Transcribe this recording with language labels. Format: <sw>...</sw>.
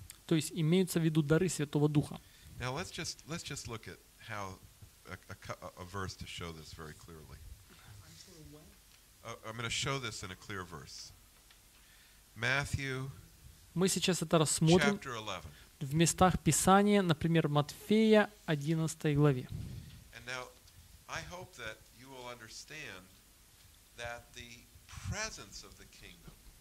<ru>То есть имеются в виду дары Святого Духа.</ru> <en>Now let's just look at how a verse to show this very clearly. I'm going to show this in a clear verse. Matthew.</en> <ru>Мы сейчас это рассмотрим в местах Писания, например, Матфея 11 главе.</ru> <en>And now I hope that you will understand that the presence of the kingdom.</en>